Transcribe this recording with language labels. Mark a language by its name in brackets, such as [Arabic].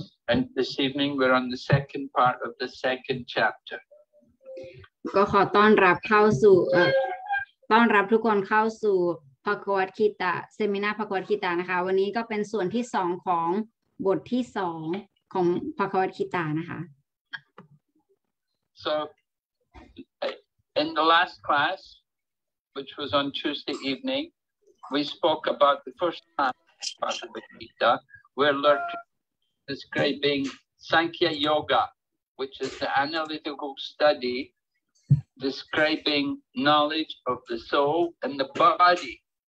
[English] And this evening we're on the second part of the second chapter. [Thai] ก็ขอต้อนรับเข้าสู่ต้อนรับทุกคนเข้าสู่ภควัตคีตะเซมินาภควัตคีตะนะคะวันนี้ก็เป็นส่วนที่2ของบทที่2ของภควัตคีตะนะคะ [English] So in the last class which was on Tuesday evening we spoke about the first half of the Gita where Lord is describing Sankhya Yoga which is the analytical studyDescribing knowledge of the soul and the body.